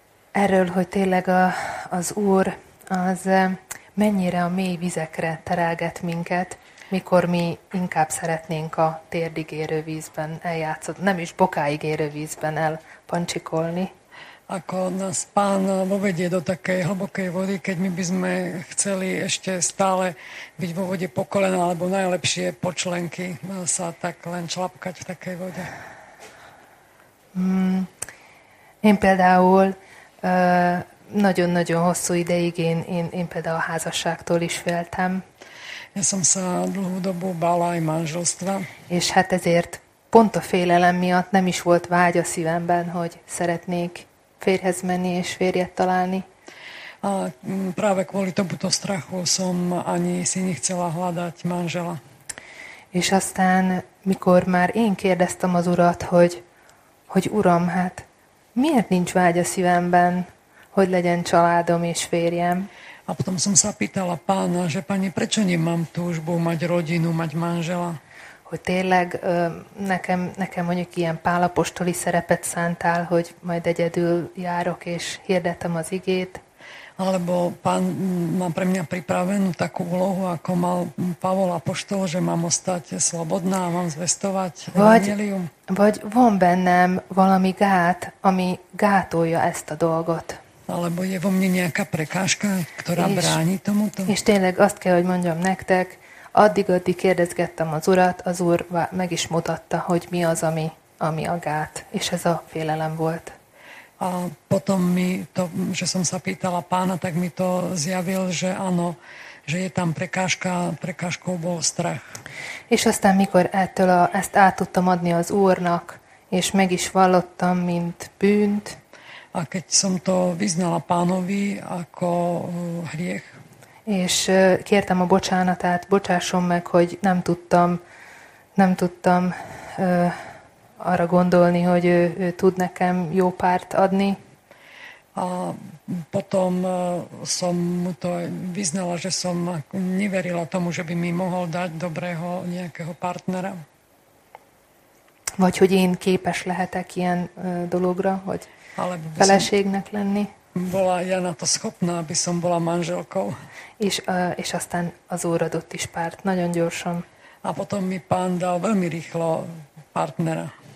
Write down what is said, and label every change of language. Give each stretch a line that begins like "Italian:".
Hungarian: Erről, hogy tényleg az Úr az mennyire a mély vizekre terelget minket, mikor mi inkább szeretnénk a térdig érő vízben eljátszott, nem is bokáig érő vízben elpancsikolni.
Slovak: Akkor nás Pán vovedie do takej hlbokej vody, keď my by sme chceli ešte stále byť vo vode po kolena, alebo najlepšie po členky sa tak len člapkať v takej vode.
Hungarian: Én például nagyon-nagyon hosszú ideig én például a házasságtól is féltem.
Slovak: Ja som sa dlhú dobu bála aj manželstva.
Hungarian: És hát ezért pont a félelem miatt nem is volt vágy a szívemben, hogy szeretnék férhez menni és férjet találni.
Slovak: A práve kvôli tomuto strachu som ani si nechcela hľadať manžela.
Hungarian: És aztán, mikor már én kérdeztem az Urat, hogy Uram, hát miért nincs vágy a szívemben, hogy legyen családom és férjem?
Slovak: A potom som sa pýtala Pána, že Pani, prečo nemám túžbu mať rodinu, mať manžela?
Hungarian: Hogy tényleg nekem mondjuk ilyen pálapostoli szerepet szántál, hogy majd egyedül járok és hirdetem az igét.
Slovak: Alebo Pán má pre mňa pripravenú takú úlohu, ako mal Pavol apoštol, že mám ostať slobodná, mám zvestovať evangélium.
Hungarian: Vagy von bennem valami gát, ami gátolja ezt a dolgot.
Slovak: Alebo je vo mne nejaká prekážka, ktorá bráni tomuto?
Hungarian: És tényleg azt kell, hogy mondjam nektek, addig kérdezgettem az Urat, az Úr meg is mutatta, hogy mi az, ami a gát. És ez a félelem volt.
Slovak: A potom mi to, že som sa pýtala Pána, tak mi to zjavil, že áno, že je tam prekážka, prekážkou bol strach.
Hungarian: És aztán, mikor ettől ezt át tudtam adni az Úrnak, és meg is vallottam, mint bűnt.
Slovak: A keď som to vyznala Pánovi ako hriech.
Hungarian: És kértem a bocsánatát, bocsásson meg, hogy nem tudtam arra gondolni, hogy ő tud nekem jó párt adni.
Slovak: A potom som mu to vyznala, že som neverila tomu, že by mi mohol dať dobrého nejakého partnera.
Hungarian: Vagy hogy én képes lehetek ilyen dologra, hogy feleségnek lenni.
Slovak: Bola ja na to schopná, aby som bola manželkou.
Hungarian: És aztán az Úr adott is párt, nagyon gyorsan.
Slovak: A potom mi Pán dal veľmi rýchlo partnera.